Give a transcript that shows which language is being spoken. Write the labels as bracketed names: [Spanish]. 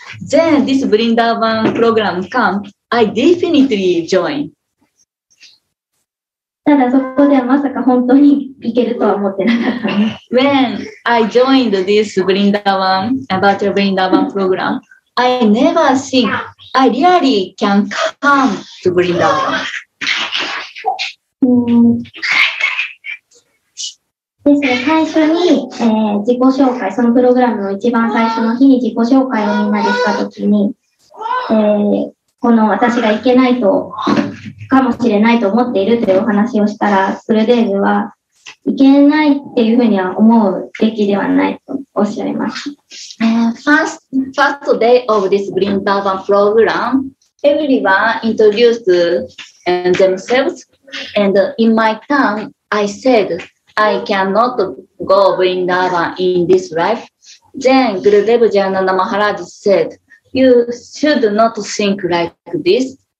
[English] Then this Vrindavan program come, I definitely join. [Japanese] ただそこではまさか本当に行けるとは思ってなかった。 [English] When I joined this Vrindavan, virtual Vrindavan program, I never think I really can come to Vrindavan. [Japanese] ですが、最初に、自己紹介、そのプログラムの一番最初の日に自己紹介をみんなでしたときに、この私が行けないと、かもしれないと思っているというお話をしたら、スルデーズは、行けないっていうふうには思うべきではないとおっしゃいました。 [English] First day of this Green Durban program, everyone introduced themselves, and in my turn, I said,I cannot go Vrindavan in this life. Then Gurudev Jayananda Maharaj said, you should not think like this.